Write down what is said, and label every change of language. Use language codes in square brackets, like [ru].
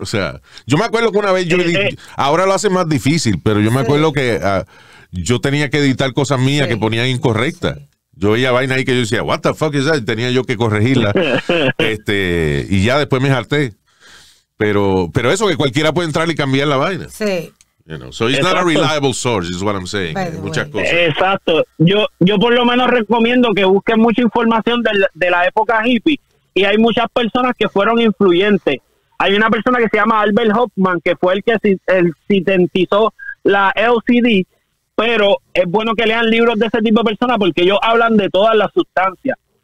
[es] O sea, yo me acuerdo que una vez ahora lo hace más difícil, pero yo me acuerdo que yo tenía que editar cosas mías que ponían incorrectas. Yo veía vaina ahí que yo decía, [en] what the fuck is that? [es] Tenía yo que corregirla. y ya después me harté. Pero eso, que cualquiera puede entrar y cambiar la vaina. Sí. [en] You know, so it's not a reliable source, is what I'm saying. [es] Muchas cosas. Exacto. Yo por lo menos recomiendo que busquen mucha información de la época hippie. Y hay muchas personas que fueron influyentes. Hay una persona que se llama Albert Hoffman, que fue el que sintetizó la LSD. Pero es bueno que lean libros de ese tipo de personas, porque ellos hablan de todas las sustancias.